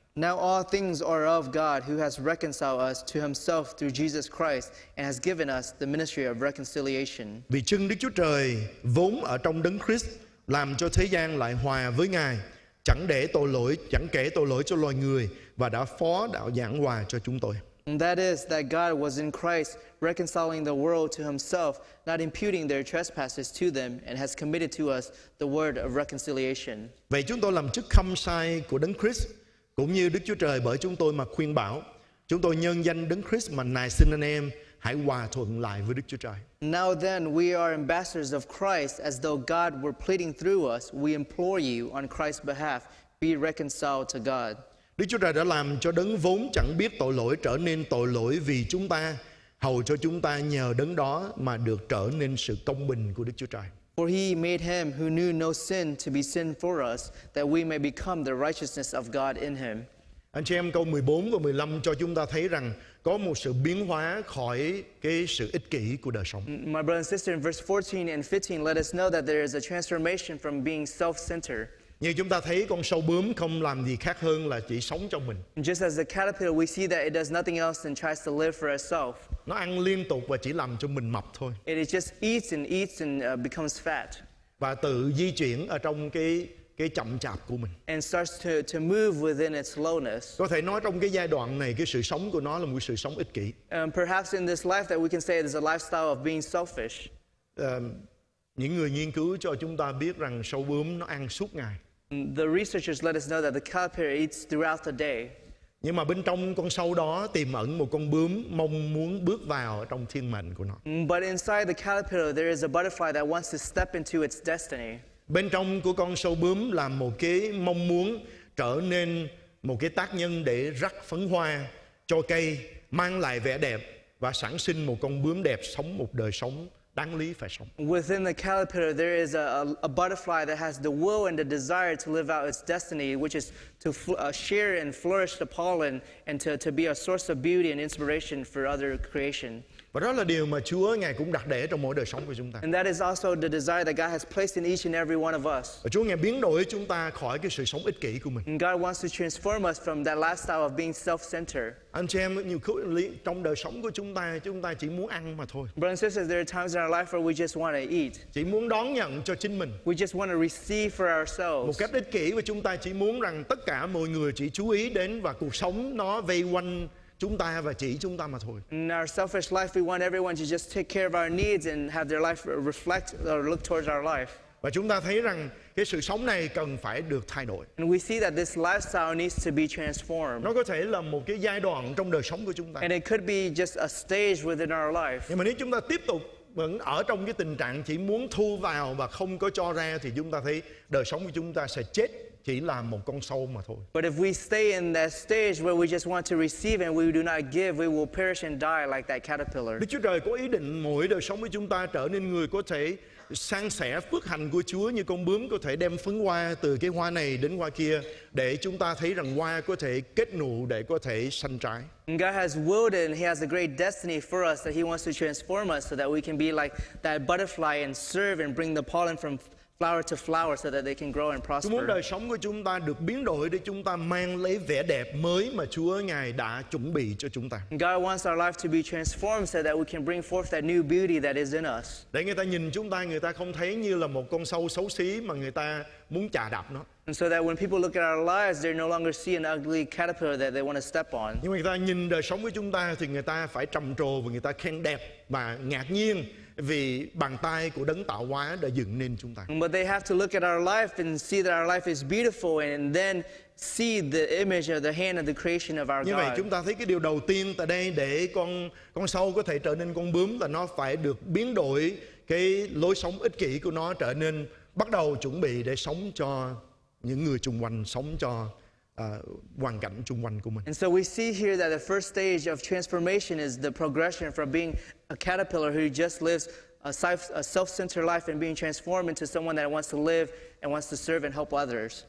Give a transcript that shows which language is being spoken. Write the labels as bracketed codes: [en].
[en] Now all things are of God who has reconciled us to himself through Jesus Christ and has given us the ministry of reconciliation. [vi] Vì chân Đức Chúa Trời vốn ở trong đấng Christ làm cho thế gian lại hòa với Ngài, chẳng kể tội lỗi cho loài người và đã phó đạo giảng hòa cho chúng tôi. [en] And that is that God was in Christ reconciling the world to himself, not imputing their trespasses to them, and has committed to us the word of reconciliation. [vi] Vậy chúng tôi làm chức khâm sai của đấng Christ, cũng như Đức Chúa Trời bởi chúng tôi mà khuyên bảo, chúng tôi nhân danh đấng Christ mà nài xin anh em hãy hòa thuận lại với Đức Chúa Trời. [en] Now then, we are ambassadors of Christ, as though God were pleading through us. We implore you on Christ's behalf, be reconciled to God. [vi] Đức Chúa Trời đã làm cho đấng vốn chẳng biết tội lỗi trở nên tội lỗi vì chúng ta, hầu cho chúng ta nhờ đấng đó mà được trở nên sự công bình của Đức Chúa Trời. [en] For he made him who knew no sin to be sin for us, that we may become the righteousness of God in him. [vi] Anh chị em, câu 14 và 15 cho chúng ta thấy rằng có một sự biến hóa khỏi cái sự ích kỷ của đời sống. [en] My brother and sister, in verse 14 and 15, let us know that there is a transformation from being self-centered. [vi] Như chúng ta thấy, con sâu bướm không làm gì khác hơn là chỉ sống cho mình. [en] Just as a caterpillar, we see that it does nothing else than tries to live for itself. [vi] Nó ăn liên tục và chỉ làm cho mình mập thôi. [en] It just eats and eats and becomes fat. [vi] Và tự di chuyển ở trong cái chậm chạp của mình. [en] And starts to move within its slowness. [vi] Có thể nói trong cái giai đoạn này, cái sự sống của nó là một sự sống ích kỷ. [en] Perhaps in this life that we can say it is a lifestyle of being selfish. [vi] Những người nghiên cứu cho chúng ta biết rằng sâu bướm nó ăn suốt ngày. [en] The researchers let us know that the caterpillar eats throughout the day. [vi] Nhưng mà bên trong con sâu đó tiềm ẩn một con bướm mong muốn bước vào trong thiên mệnh của nó. [en] But inside the caterpillar there is a butterfly that wants to step into its destiny. [vi] Bên trong của con sâu bướm là một cái mong muốn trở nên một cái tác nhân để rắc phấn hoa cho cây, mang lại vẻ đẹp và sản sinh một con bướm đẹp sống một đời sống đáng lý phải sống. [en] Within the caterpillar there is a butterfly that has the will and the desire to live out its destiny, which is to share and flourish the pollen and to be a source of beauty and inspiration for other creation. [vi] Và đó là điều mà Chúa Ngài cũng đặt để trong mỗi đời sống của chúng ta. [en] And that is also the desire that God has placed in each and every one of us. [vi] Và Chúa Ngài biến đổi chúng ta khỏi cái sự sống ích kỷ của mình. [en] And God wants to transform us from that lifestyle of being self-centered. [vi] Anh chị em, nhiều khi trong đời sống của chúng ta chỉ muốn ăn mà thôi. [en] Brothers and sisters, there are times in our life where we just want to eat. [vi] Chỉ muốn đón nhận cho chính mình. [en] We just want to receive for ourselves. [vi] Một cách ích kỷ, và chúng ta chỉ muốn rằng tất cả mọi người chỉ chú ý đến và cuộc sống nó vây quanh chúng ta và chỉ chúng ta mà thôi. [en] In our selfish life, we want everyone to just take care of our needs and have their life reflect or look towards our life. [vi] Và chúng ta thấy rằng cái sự sống này cần phải được thay đổi. [en] And we see that this lifestyle needs to be transformed. [vi] Nó có thể là một cái giai đoạn trong đời sống của chúng ta. [en] And it could be just a stage within our life. [vi] Nhưng mà nếu chúng ta tiếp tục vẫn ở trong cái tình trạng chỉ muốn thu vào và không có cho ra thì chúng ta thấy đời sống của chúng ta sẽ chết. Chỉ là một con sâu mà thôi. [en] But if we stay in that stage where we just want to receive and we do not give, we will perish and die like that caterpillar. [vi] Đức Chúa Trời có ý định mỗi đời sống của chúng ta trở nên người có thể san sẻ phước hạnh của Chúa như con bướm có thể đem phấn hoa từ cái hoa này đến hoa kia để chúng ta thấy rằng hoa có thể kết nụ để có thể sanh trái. [en] God has willed and he has a great destiny for us that he wants to transform us so that we can be like that butterfly and serve and bring the pollen from flower to flower so that they can grow and prosper. [vi] Chúng muốn đời sống của chúng ta được biến đổi để chúng ta mang lấy vẻ đẹp mới mà Chúa Ngài đã chuẩn bị cho chúng ta. [en] God wants our life to be transformed so that we can bring forth that new beauty that is in us. [vi] Để người ta nhìn chúng ta, người ta không thấy như là một con sâu xấu xí mà người ta muốn chà đạp nó. [en] And so that when people look at our lives, they no longer see an ugly caterpillar that they want to step on. [vi] Nhưng mà người ta nhìn đời sống của chúng ta thì người ta phải trầm trồ và người ta khen đẹp và ngạc nhiên vì bàn tay của đấng tạo hóa đã dựng nên chúng ta. [en] But they have to look at our life and see that our life is beautiful and then see the image of the hand of the creation of our God. [vi] Như vậy chúng ta thấy cái điều đầu tiên tại đây để con sâu có thể trở nên con bướm là nó phải được biến đổi cái lối sống ích kỷ của nó trở nên bắt đầu chuẩn bị để sống cho những người xung quanh, sống cho hoàn cảnh xung quanh của mình. [en] And so we see here that the first stage of transformation is the progression from being a caterpillar who just lives a self-centered life and being transformed into someone that wants to live and wants to serve and help others.